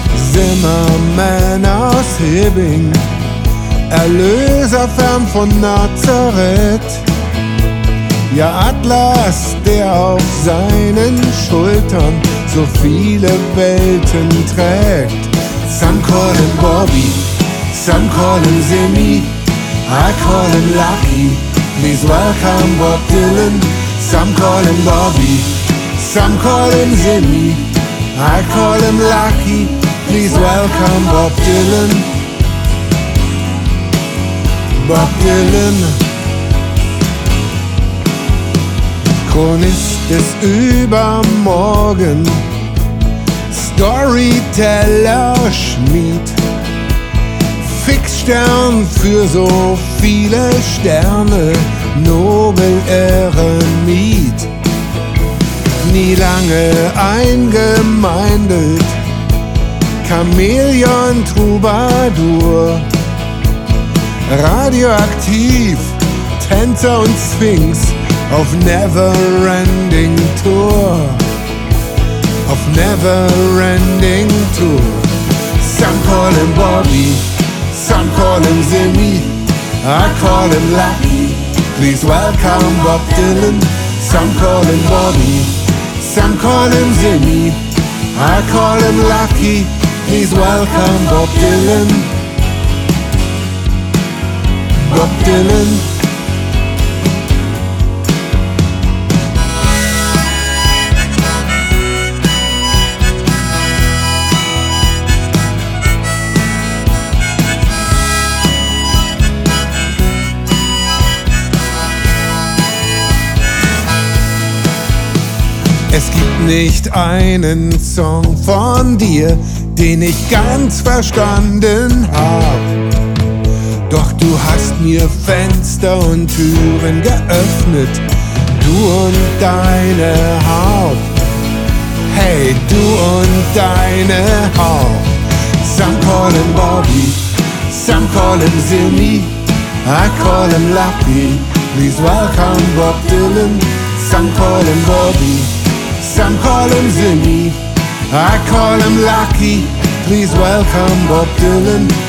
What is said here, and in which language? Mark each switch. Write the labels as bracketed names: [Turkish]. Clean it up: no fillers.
[German] Zimmerman aus Hibbing, Erlöser fern von Nazareth. Ja, Atlas, der auf seinen Schultern so viele Welten trägt. [English] Some call him Bobby, some call him Zimmy, I call him Lucky, please welcome Bob Dylan. Some call him Bobby, some call him Zimmy, I call him Lucky, please welcome Bob Dylan. [German] Bob Dylan, Chronist des Übermorgen, Storyteller Schmied, Fixstern für so viele Sterne, Nobel-Eremit. Nie lange eingemeindet, Chamäleon-Troubadour, radioaktiv, Tänzer und Sphinx auf Never-Ending Tour. Auf Never-Ending Tour. [English] Some call him Bobby, some call him Zimmy, I call him Lucky, please welcome Bob Dylan. Some call him Bobby, some call him Zimmy, I call him Lucky, please welcome Bob Dylan. Bob Dylan. [German] Es gibt nicht einen Song von dir, den ich ganz verstanden hab. Doch du hast mir Fenster und Türen geöffnet, du und deine Haut. Hey, du und deine Haut. [English] Some call him Bobby, some call him Zimmy, I call him Lucky, please welcome Bob Dylan. Some call him Bobby, some call him Zimmy, I call him Lucky, please welcome Bob Dylan.